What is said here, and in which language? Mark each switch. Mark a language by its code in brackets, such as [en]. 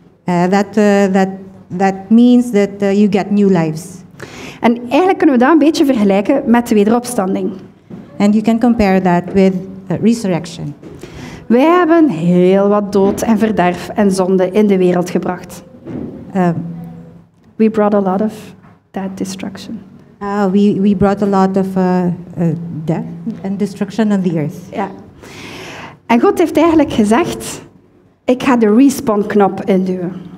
[en] that means that you get new lives [nl] en eigenlijk kunnen we dat een beetje vergelijken met de wederopstanding. [en] And you can compare that with resurrection. [nl] Wij hebben heel wat dood en verderf en zonde in de wereld gebracht. [en] We brought a lot of that destruction. We brought a lot of death and destruction on the earth. Ja. [nl] En God heeft eigenlijk gezegd, ik ga de respawn knop induwen.